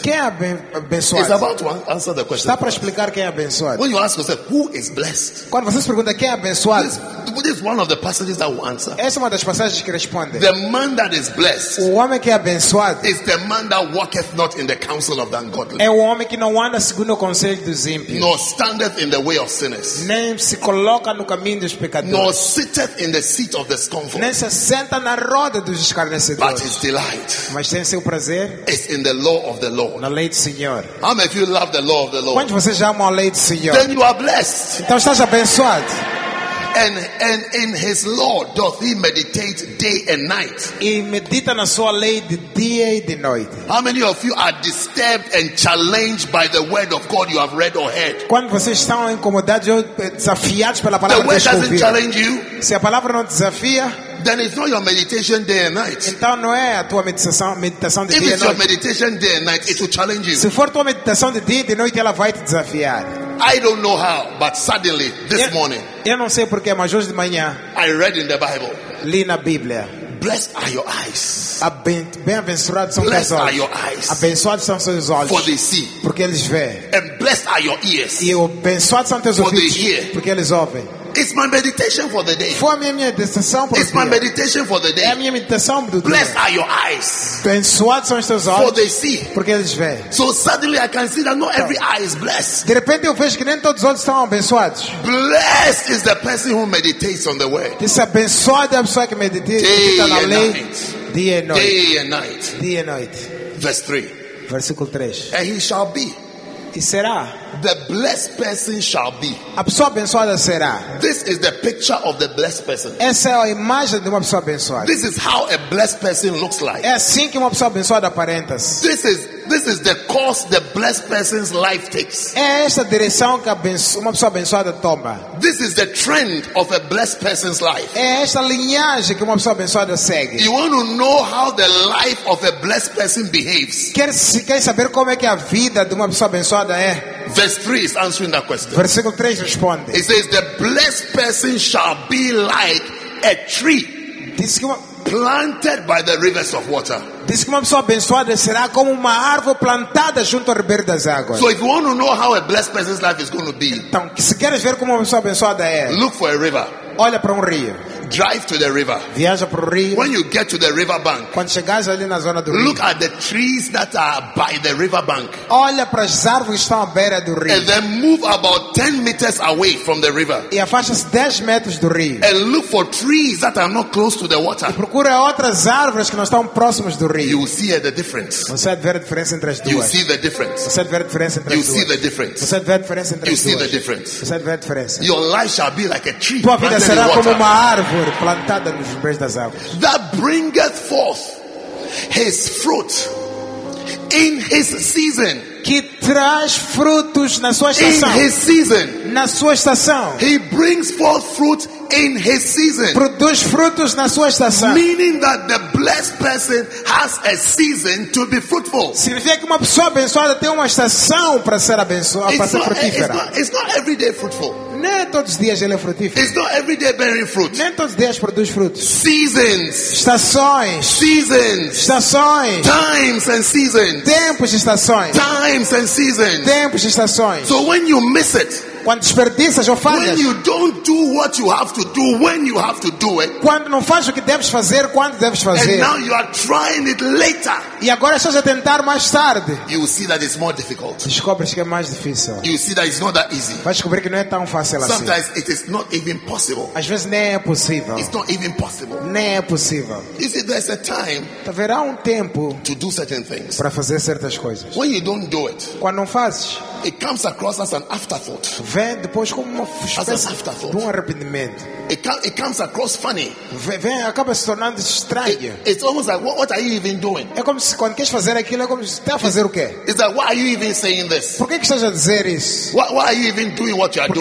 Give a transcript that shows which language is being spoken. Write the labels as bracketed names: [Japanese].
[Portuguese] Quem é abençoado? [English] It's about to answer the question. [Portuguese] Está para explicar quem é abençoado. [English] When you ask yourself, who is blessed? [Portuguese] Quando você se pergunta quem é abençoado? [English] Please, this is one of the passages that will answer. [Portuguese] Essa é uma das passagens que responde. [English] The man that is blessed, [Portuguese] o homem que é abençoado, [English] is the man that walketh not in the counsel of the ungodly. [Portuguese] É o homem que não anda segundo o conselho dos ímpios. [English] Nor standeth in the way of sinners. [Portuguese] Nem se coloca no caminho dos pecadores. [English] Nor sitteth in the seat of the scornful. [Portuguese] Nem se senta na roda dos escarnecedores. [English] But his delight, [Portuguese] mas tem seu prazer, [English] is in the law of the Lord. [Portuguese] Na lei do Senhor. [English] How many of you love the law of the Lord? [Portuguese] Quantos vocês amam a lei do Senhor? [English] Then you are blessed. [Portuguese] Então estás abençoado. [English] And in his law doth he meditate day and night. [Portuguese] E medita na sua lei de dia e de noite. [English] How many of you are disturbed and challenged by the word of God you have read or heard? [Portuguese] Quando vocês estão incomodados ou desafiados pela palavra de Deus. [English] The word doesn't challenge you. [Portuguese] Se a palavra não desafia, [English] then it's not your meditation day and night. [Portuguese] Então não é a tua meditação de dia e noite. [English] If it's your meditation day and night, it will challenge you. [Portuguese] Se for tua meditação de dia e de noite, ela vai te desafiar. [English] I don't know how, but suddenly this morning, [Portuguese] eu não sei porque, mas hoje de manhã, [English] I read in the Bible, [Portuguese] li na Bíblia, [English] blessed are your eyes, [Portuguese] bem-aventurados são teus [English] are your eyes, [Portuguese] abençoados são seus olhos, [English] for they see, [Portuguese] porque eles veem, [English] and blessed are your ears, [Portuguese] e abençoados são teus ouvidos, [English] for they hear, [Portuguese] porque eles ouvem. [English] It's my meditation for the day. [Portuguese] Foi a minha meditação para o dia. [English] It's my meditation for the day. [Portuguese] É a minha meditação do dia. [English] Blessed are your eyes. [Portuguese] Abençoados são os teus olhos. [English] For they see. [Portuguese] Porque eles veem. [English] So suddenly I can see that not every eye is blessed. [Portuguese] De repente eu vejo que nem todos os olhos estão abençoados. [English] Blessed is the person who meditates on the word. [Portuguese] Esse abençoado é a pessoa que medita na lei. [English] Day and night. Day and night. Day and night. Day and night. Verse 3. [Portuguese] Versículo 3. [English] And he shall be. [Portuguese] E será? [English] The blessed person shall be. [Portuguese] A pessoa abençoada será. [English] This is the picture of the blessed person. [Portuguese] Essa é a imagem de uma pessoa abençoada. [English] This is how a blessed person looks like. [Portuguese] É assim que uma pessoa abençoada aparenta. [English] This is the course the blessed person's life takes. [Portuguese] É essa a direção que uma pessoa abençoada toma. [English] This is the trend of a blessed person's life. [Portuguese] É essa a linhagem que uma pessoa abençoada segue. [English] You want to know how the life of a blessed person behaves? [Portuguese] Quer saber como é que a vida de uma pessoa abençoada é? [English] Verse 3 is answering that question. [Portuguese] Versículo 3 responde. [English] It says the blessed person shall be like a tree. [Portuguese] Diz que [English] planted by the rivers of water. [Portuguese] Diz que uma pessoa abençoada será como uma árvore plantada junto ao ribeiro das águas. [English] So if you want to know how a blessed person's life is going to be, [Portuguese] então, se queres ver como uma pessoa abençoada é, [English] look for a river. [Portuguese] Olha para rio. [English] Drive to the river. [Portuguese] Viaja para rio. [English] When you get to the river bank, [Portuguese] quando chegares ali na zona do rio, [English] look at the trees that are by the river bank. [Portuguese] Olha para as árvores que estão à beira do rio. [English] And then move about 10 meters away from the river. [Portuguese] E afasta-se 10 metros do rio. [English] And look for trees that are not close to the water. [Portuguese] E procura outras árvores que não estão próximas do rio. [English] You will see the difference. [Portuguese] Você vai ver a diferença entre as duas. [English] You see the difference. [Portuguese] Você vai ver a diferença entre as [English] you [Portuguese] duas. [English] You see the difference. [Portuguese] Você vai ver a diferença entre [English] you [Portuguese] as duas. [English] You see the difference. [Portuguese] Você vai ver a diferença. [English] Your life shall be like a tree. [Portuguese] Tua vida será [English] water. [Portuguese] Como uma árvore plantada nos ribeiros das águas. [English] That bringeth forth his fruit in his season. [Portuguese] Que traz frutos na sua estação. [English] In his season. [Portuguese] Na sua estação. [English] He brings forth fruit in his season. [Portuguese] Produz frutos na sua estação. [English] Meaning that the blessed person has a season to be fruitful. [Portuguese] Significa que uma pessoa abençoada tem uma estação para ser abençoada, para ser frutífera. [English] It's not every day fruitful. [Portuguese] Nem todos os dias ele é frutífero. [English] It's not every day bearing fruit. [Portuguese] Nem todos os dias produz frutos. [English] Seasons. [Portuguese] Estações. [English] Seasons. [Portuguese] Estações. [English] Times and seasons. [Portuguese] Tempos e estações. [English] Times and seasons. [Portuguese] Tempos e estações. [English] So when you miss it, [Portuguese] quando desperdiças ou falhas, [English] when you don't do what you have to do when you have to do it, [Portuguese] quando não fazes o que deves fazer quando deves fazer, [English] and now you are trying it later, [Portuguese] e agora estás a tentar mais tarde, [English] you will see that it's more difficult. [Portuguese] Descobres que é mais difícil. [English] You will see that it's not that easy. [Portuguese] Vais descobrir que não é tão fácil assim. [English] Sometimes it is not even possible. [Portuguese] Às vezes nem é possível. [English] It's not even possible. [Portuguese] Nem é possível. [English] You see, there's a time, [Portuguese] haverá um tempo, [English] to do certain things, [Portuguese] para fazer certas coisas. [English] When you don't do it, [Portuguese] quando não fazes, [English] it comes across as an afterthought. [Portuguese] Vem depois como uma espécie de um arrependimento. [English] It comes across funny. [Portuguese] Vem, acaba se tornando estranho. [English] It's almost like, what are you even doing? [Portuguese] É como se quando queres fazer aquilo, é como se está a fazer o quê? [English] It's like, why are you even saying this? [Portuguese] Por que estás a dizer isso? [English] Why are you even doing what you are doing?